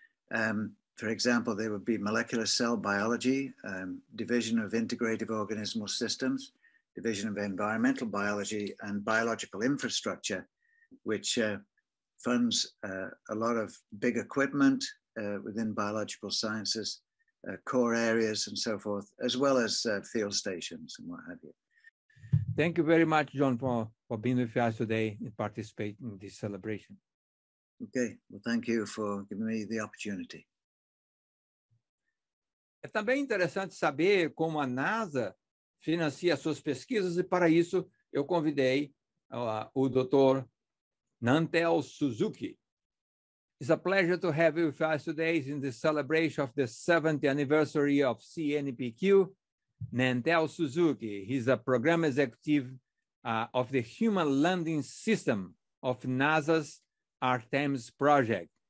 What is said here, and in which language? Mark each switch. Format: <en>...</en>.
<en>For example, there would be molecular cell biology, division of integrative organismal systems, division of environmental biology, and biological infrastructure, which funds a lot of big equipment within biological sciences, core areas and so forth, as well as field stations and what have you. Thank you very much, John, for being with us today and participating in this celebration. Okay, well, thank you for giving me the opportunity.</en> <pt>É também interessante saber como a NASA financia suas pesquisas, e para isso eu convidei o Dr. Nantel Suzuki.</pt> <en>It's a pleasure to have you with us today in the celebration of the 70th anniversary of CNPq. Nantel Suzuki, he's a program executive of the Human Landing System of NASA's Artemis project.</en>